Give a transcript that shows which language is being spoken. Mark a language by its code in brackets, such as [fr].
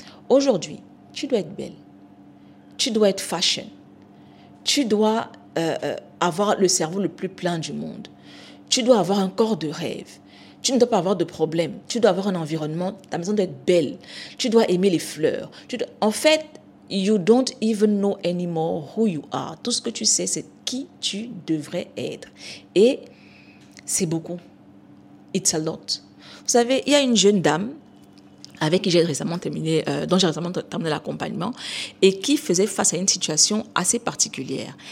[fr] Aujourd'hui, tu dois être belle, tu dois être fashion, tu dois avoir le cerveau le plus plein du monde, tu dois avoir un corps de rêve, tu ne dois pas avoir de problème, tu dois avoir un environnement, ta maison doit être belle, tu dois aimer les fleurs. En fait, [en] you don't even know anymore who you are. [fr] Tout ce que tu sais, c'est qui tu devrais être. Et c'est beaucoup. [en] It's a lot. [fr] Vous savez, il y a une jeune dame avec qui j'ai récemment terminé, dont j'ai récemment terminé l'accompagnement et qui faisait face à une situation assez particulière.